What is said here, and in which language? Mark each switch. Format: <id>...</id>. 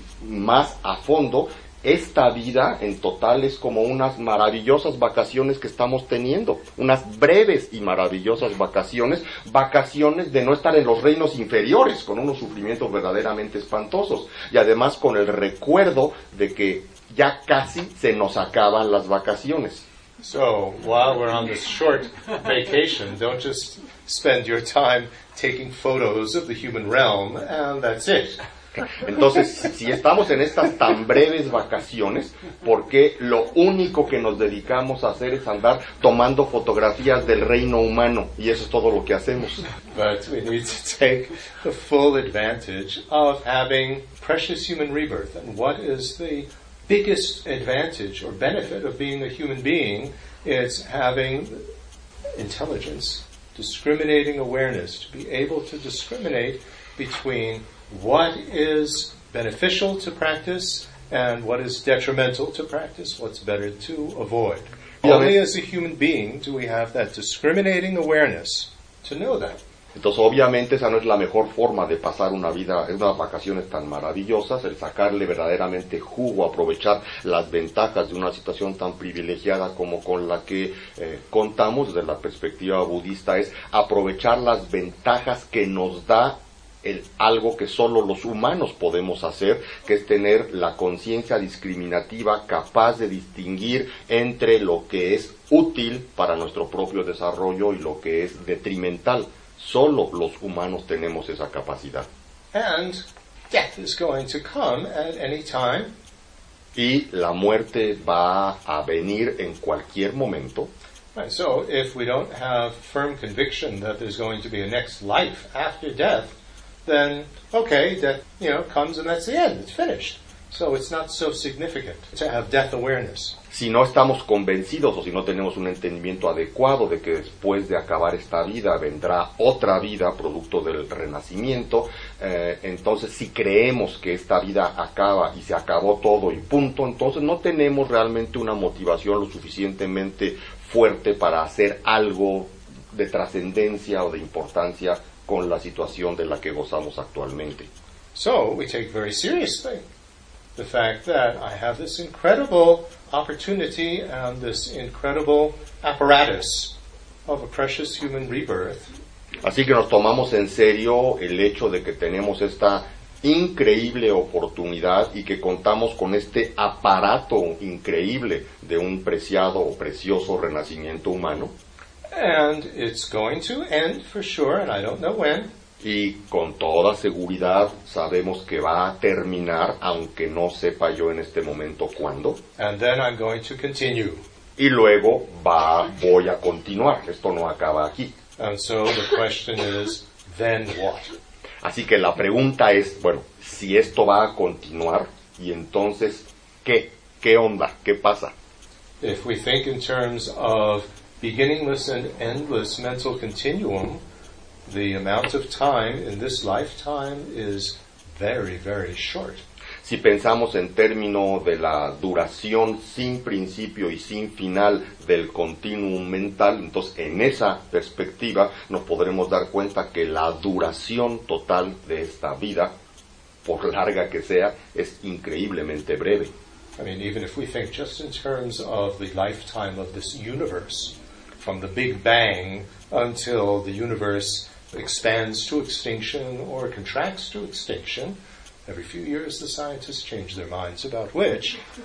<es>más a fondo, esta vida en total es como unas maravillosas vacaciones que estamos teniendo, unas breves y maravillosas vacaciones de no estar en los reinos inferiores, con unos sufrimientos verdaderamente espantosos, y además con el recuerdo de que ya casi se nos acaban las vacaciones.</es> <en>So, while we're on this short vacation, don't just spend your time taking photos of the human realm, and that's it.</en> <es>Entonces, si estamos en estas tan breves vacaciones, ¿por qué lo único que nos dedicamos a hacer es andar tomando fotografías del reino humano? Y eso es todo lo que hacemos.</es> <en>But we need to take the full advantage of having precious human rebirth. And what is the biggest advantage or benefit of being a human being? It's having intelligence, discriminating awareness, to be able to discriminate between what is beneficial to practice and what is detrimental to practice, what's better to avoid. Only as a human being do we have that discriminating awareness to know that.</en> <es>Entonces, obviamente, esa no es la mejor forma de pasar una vida, unas vacaciones tan maravillosas, el sacarle verdaderamente jugo, aprovechar las ventajas de una situación tan privilegiada como con la que contamos desde la perspectiva budista, es aprovechar las ventajas que nos da el algo que solo los humanos podemos hacer, que es tener la conciencia discriminativa capaz de distinguir entre lo que es útil para nuestro propio desarrollo y lo que es detrimental. Solo los humanos tenemos esa capacidad.</es> <en>And death is going to come at any time.</en> <es>Y la muerte va a venir en cualquier momento.</es> <en>Right, so if we don't have firm conviction that there's going to be a next life after death, then okay, death, you know, comes and that's the end, it's finished. So it's not so significant to have death awareness.</en> <es>Si no estamos convencidos o si no tenemos un entendimiento adecuado de que después de acabar esta vida vendrá otra vida producto del renacimiento, entonces si creemos que esta vida acaba y se acabó todo y punto, entonces no tenemos realmente una motivación lo suficientemente fuerte para hacer algo de trascendencia o de importancia con la situación de la que gozamos actualmente.</es> <en>So we take very seriously the fact that I have this incredible opportunity and this incredible apparatus of a precious human rebirth.</en> <es>Así que nos tomamos en serio el hecho de que tenemos esta increíble oportunidad y que contamos con este aparato increíble de un preciado o precioso renacimiento humano.</es> <en>And it's going to end for sure, and I don't know when.</en> <es>Y con toda seguridad sabemos que va a terminar, aunque no sepa yo en este momento cuándo.</es> <en>And then I'm going to continue.</en> <es>Y luego voy a continuar. Esto no acaba aquí.</es> <en>And so the question is, then what?</en> <es>Así que la pregunta es, bueno, si esto va a continuar, y entonces, ¿qué? ¿Qué onda? ¿Qué pasa?</es> <en>If we think in terms of beginningless and endless mental continuum, the amount of time in this lifetime is very, very short.</en> <es>Si pensamos en término de la duración sin principio y sin final del continuum mental, entonces en esa perspectiva nos podremos dar cuenta que la duración total de esta vida, por larga que sea, es increíblemente breve.</es> <en>I mean, even if we think just in terms of the lifetime of this universe, from the Big Bang until the universe expands to extinction or contracts to extinction. Every few years the scientists change their minds about which.</en>